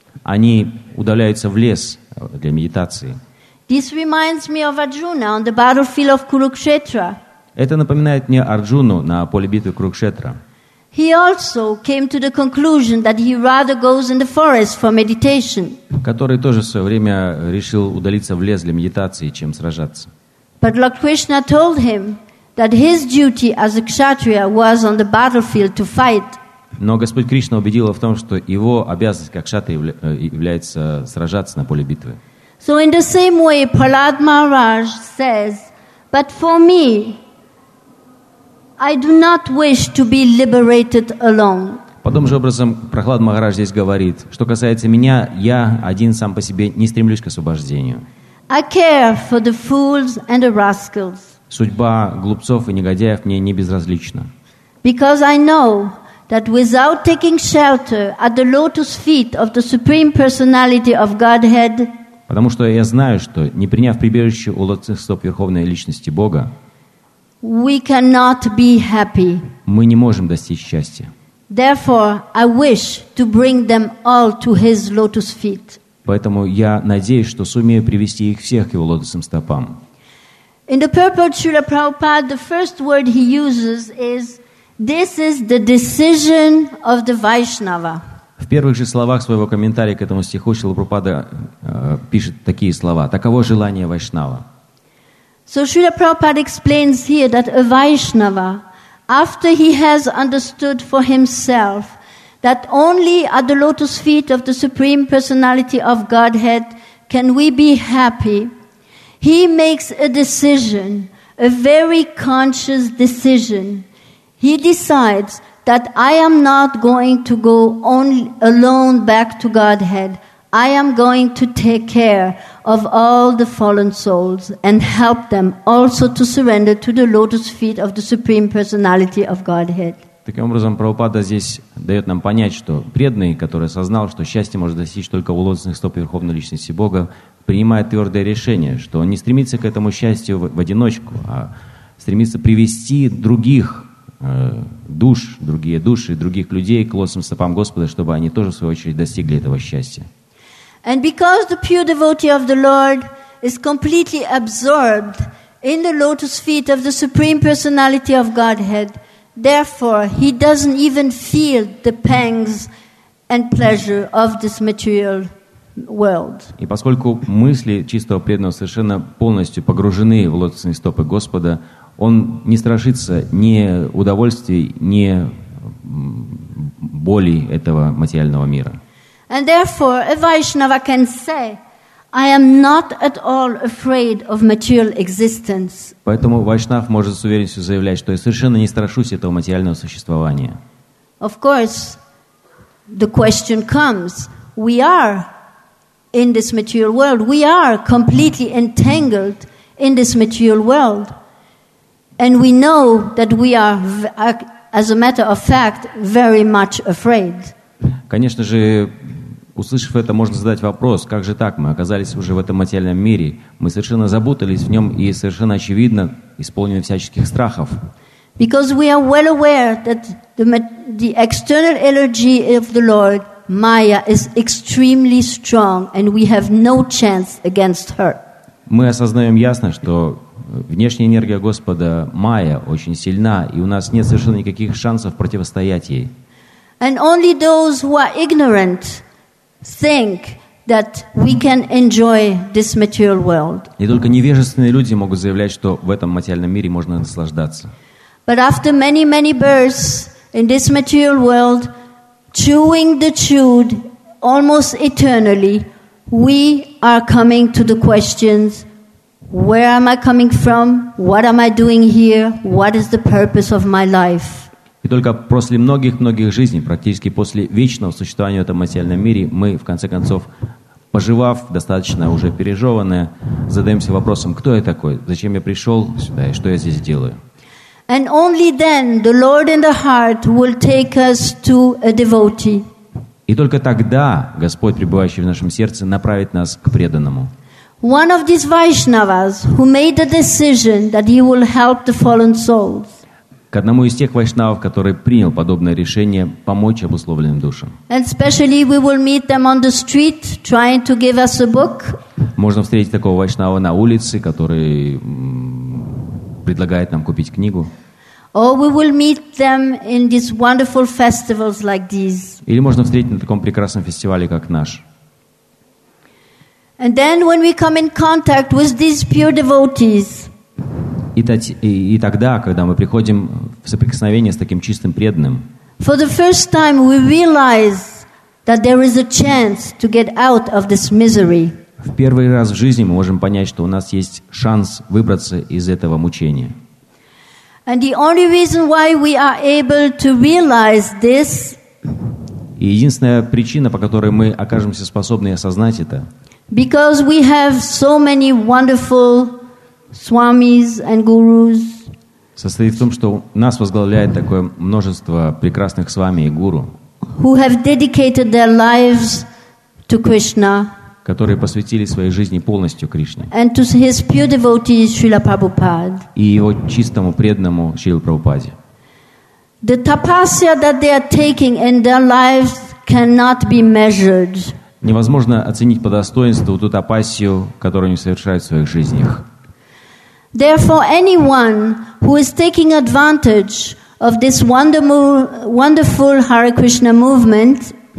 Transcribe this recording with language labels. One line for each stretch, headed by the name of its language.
Russian: Они удаляются в лес для медитации.
English: This reminds me of Arjuna on the battlefield of Kurukshetra.
Russian: Это напоминает мне Арджуну на поле битвы Курукшетра.
English: He also came to the conclusion that he rather goes in the forest for meditation.
Russian: Который тоже в свое время решил удалиться в лес для медитации, чем сражаться.
English: But Lord Krishna told him that his duty as a kshatriya was on the battlefield to fight.
Russian: Но Господь Кришна убедил его в том, что его обязанность как кшатрия является сражаться на поле битвы.
English: So in the same way, Prahlad Maharaj says, but for me, I do not wish to be liberated alone.
Russian: Подобным же образом Прохлад Махарадж здесь говорит, что касается меня, я один сам по себе не стремлюсь к освобождению.
English: I care for the fools and the rascals.
Russian: Судьба глупцов и негодяев мне не безразлична.
English: Because I know that without taking shelter at the lotus feet of the Supreme Personality of Godhead,
Russian: потому что я знаю, что не приняв прибежище у лотосных стоп Верховной Личности Бога,
English: we cannot be happy.
Russian: Мы не можем достичь счастья.
English: Therefore, I wish to bring them all to his lotus feet.
Russian: Поэтому я надеюсь, что сумею привести их всех к его лотосным стопам.
English: In the purport Srila Prabhupada, the first word he uses is, this is the decision of the Vaishnava.
Russian: В первых же словах своего комментария к этому стиху Шрила Прабхупада пишет такие слова. Таково желание Вайшнава.
English: So Srila Prabhupada explains here that a Vaishnava, after he has understood for himself that only at the lotus feet of the Supreme Personality of Godhead can we be happy, he makes a decision, a very conscious decision. He decides that I am not going to go only alone back to Godhead. I am going to take care of all the fallen souls and help them also to surrender to the lotus feet of the Supreme Personality of Godhead.
Russian: Таким образом, Прабхупада здесь дает нам понять, что преданный, который осознал, что счастье может достичь только у лотосных стоп Верховной Личности Бога, принимает твердое решение, что он не стремится к этому счастью в одиночку, а стремится привести других душ, другие души, других людей к лотосным стопам Господа, чтобы они тоже, в свою очередь, достигли этого счастья.
English: And because the pure devotee of the Lord is completely absorbed in the lotus feet of the Supreme Personality of Godhead. Therefore, he doesn't even feel the pangs and pleasure of this material world.
Russian: И поскольку мысли чистого преданного совершенно полностью погружены в лотосные стопы Господа, он не страшится ни удовольствий, ни боли этого материального мира.
English: And therefore, a Vaishnava can say, I am not at all afraid of material existence.
Russian: Поэтому Вайшнав может с уверенностью заявлять, что я совершенно не страшусь этого материального существования.
English: Of course, the question comes, we are in this material world, we are completely entangled in this material world. And we know that we are, as a matter of fact, very much afraid.
Russian: Конечно же, услышав это, можно задать вопрос, как же так, мы оказались уже в этом материальном мире, мы совершенно запутались в нем и совершенно очевидно исполнены всяческих страхов.
English: Because we are well aware that the external energy of the Lord, Maya, is extremely strong and we have no chance against her.
Russian: Мы осознаем ясно, что внешняя энергия Господа, Майя, очень сильна, и у нас нет совершенно никаких шансов противостоять ей.
English: And only those who are ignorant think that we can enjoy this material world.
Russian: И только невежественные люди могут заявлять, что в этом материальном мире можно наслаждаться.
English: But after many, many births in this material world, chewing the chewed almost eternally, we are coming to the questions, where am I coming from? What am I doing here? What is the purpose of my life?
Russian: И только после многих-многих жизней, практически после вечного существования в этом материальном мире, мы, в конце концов, пожевав достаточно уже пережеванное, задаемся вопросом, кто я такой, зачем я пришел сюда и что я здесь делаю.
English: And only then the Lord in the heart will take us to a devotee.
Russian: И только тогда Господь, пребывающий в нашем сердце, направит нас к преданному.
English: One of these Vaishnavas who made the decision that he will help the fallen souls.
Russian: К одному из тех вайшнавов, который принял подобное решение помочь обусловленным душам.
English: And especially we will meet them on the street trying to give us a book.
Russian: Можно встретить такого вайшнава на улице, который предлагает нам купить книгу.
English: Or we will meet them in these wonderful festivals like these.
Russian: Или можно встретить на таком прекрасном фестивале, как наш.
English: And then when we come in contact with these pure devotees,
Russian: И тогда, когда мы приходим в соприкосновение с таким чистым преданным,
English: for the first time we realize that there is a chance to get out of this misery.
Russian: В первый раз в жизни мы можем понять, что у нас есть шанс выбраться из этого мучения.
English: And the only reason why we are able to realize this,
Russian: и единственная причина, по которой мы окажемся способны осознать это,
English: because we have so many wonderful Swamis and gurus.
Russian: Состоит в том, что нас возглавляет такое множество прекрасных свами и гуру,
English: who have dedicated their lives to Krishna,
Russian: которые посвятили свои жизни полностью Кришне,
English: and to his pure devotee Srila Prabhupada,
Russian: и его чистому преданному Шриле Прабхупаде.
English: The tapasya that they are taking in their lives cannot be measured.
Russian: Невозможно оценить по достоинству ту тапасию, которую они совершают в своих жизнях.
English: Therefore, anyone who is taking advantage of this wonderful Hare Krishna movement,